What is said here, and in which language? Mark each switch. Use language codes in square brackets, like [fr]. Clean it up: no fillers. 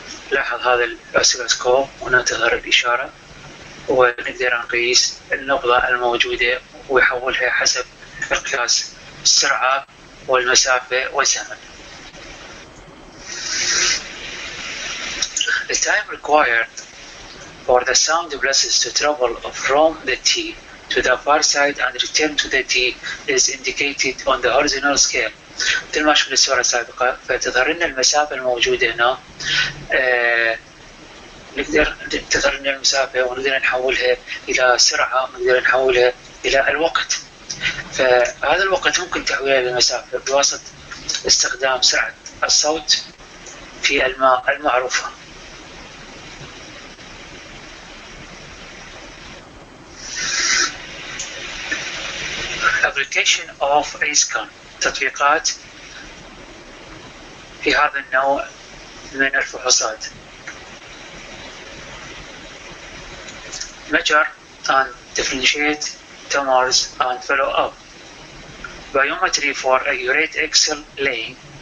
[ar] لاحظ هذا الأوسيلوسكوب، هنا تظهر الإشارة ونقدر نقيس النبضة الموجودة ويحولها حسب القياس السرعة والمسافة والزمن. [en] The time required for the sound pulses to travel from the T to the far side and return to the T is indicated on the horizontal scale. [ar] مثل ما شفنا الصورة السابقة، فتظهر لنا المسافة الموجودة هنا، نقدر تظهر لنا المسافة ونقدر نحولها إلى سرعة ونقدر نحولها إلى الوقت. فهذا الوقت ممكن تحويله للمسافة بواسطة استخدام سرعة الصوت في الماء المعروفة. [en] Application of ASecond. [ar] تطبيقات في هذا النوع من الفحوصات. [en] Measure and differentiate tumors and follow up. Biometry for accurate axial length